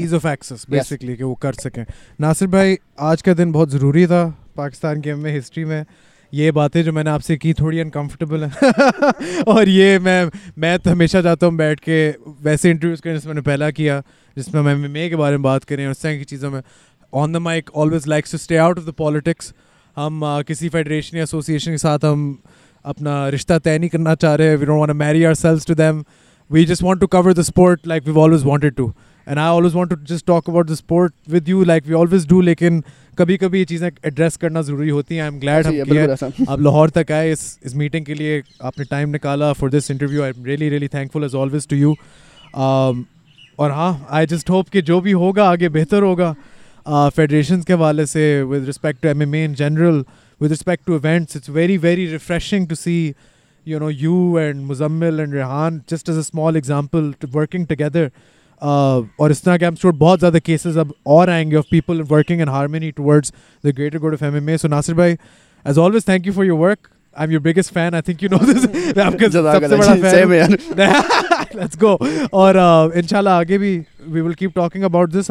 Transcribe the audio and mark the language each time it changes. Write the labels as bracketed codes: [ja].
[en] ease of access basically [ur] کہ وہ کر سکیں. ناصر بھائی، آج کا دن بہت ضروری تھا پاکستان کے ایم اے ہسٹری میں. یہ باتیں جو میں نے آپ سے کی تھوڑی انکمفرٹیبل ہیں، اور یہ میں تو ہمیشہ جاتا ہوں بیٹھ کے ویسے انٹرویوز کریں جس میں نے پہلا کیا، جس میں ایم ایم اے کے بارے میں بات کریں اور اس طرح کی چیزوں میں. [en] On the mic always likes to stay out of the politics. [ur] ہم کسی فیڈریشن یا ایسوسیشن کے ساتھ ہم اپنا رشتہ طے نہیں کرنا چاہ رہے. [en] We don't want to marry our selves to them, we just want to cover the sport like we always wanted to. And I always want to just talk about the sport with you like we always do, [ur] لیکن کبھی کبھی یہ چیزیں address کرنا ضروری ہوتی ہیں. [en] I am glad [ur] آپ لاہور تک آئے اس میٹنگ کے لیے، آپ نے ٹائم نکالا [en] For this interview. I am really really thankful as always to you. [ur] اور ہاں، [en] I just hope [ur] کہ جو بھی ہوگا آگے بہتر ہوگا فیڈریشنز کے حوالے سے، [en] With respect to M M A in general, with respect to events. It's very very refreshing to see you know you and Muzammil and Rehan just as a small example working together. [ur] اور اس طرح کے M store بہت زیادہ cases اب اور آئیں گے [en] Of people working in harmony towards the greater good of M M A. So Nasir بھائی، as always thank you for your work. I am your biggest fan, I think you know this, [ur] آپ کا سب سے بڑا فین. [en] Let's go. [ur] اور ان شاء اللہ آگے بھی [en] We will keep talking about this.